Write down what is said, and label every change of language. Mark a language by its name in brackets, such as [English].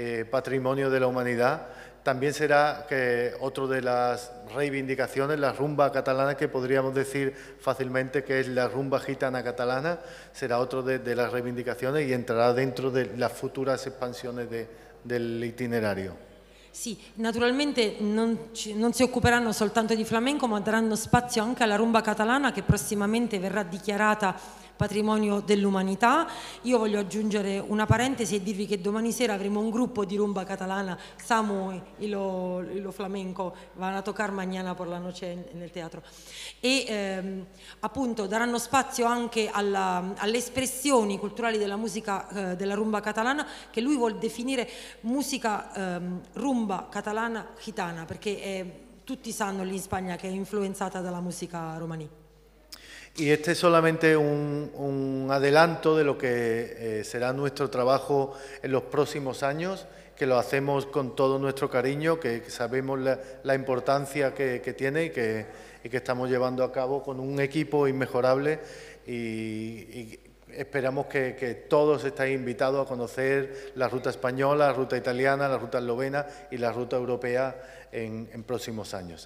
[Spanish] patrimonio de la humanidad, también será que otro de las reivindicaciones, la rumba catalana, que podríamos decir fácilmente que es la rumba gitana catalana, será otro de las reivindicaciones y entrará dentro de las futuras expansiones del itinerario. [Italian] Sì, naturalmente non si occuperanno soltanto di flamenco, ma daranno spazio anche alla rumba catalana, che prossimamente verrà dichiarata patrimonio dell'umanità. Io voglio aggiungere una parentesi e dirvi che domani sera avremo un gruppo di rumba catalana, Samu e lo flamenco, [Spanish] van a tocar mañana por la noche [Italian] nel teatro. E appunto daranno spazio anche alle espressioni culturali della musica della rumba catalana, che lui vuol definire musica rumba catalana gitana, perché tutti sanno lì in Spagna che è influenzata dalla musica romaní. [Spanish] Y este es solamente un adelanto de lo que será nuestro trabajo en los próximos años, que lo hacemos con todo nuestro cariño, que sabemos la importancia que tiene y que estamos llevando a cabo con un equipo inmejorable, y esperamos que todos estéis invitados a conocer la ruta española, la ruta italiana, la ruta eslovena y la ruta europea en próximos años.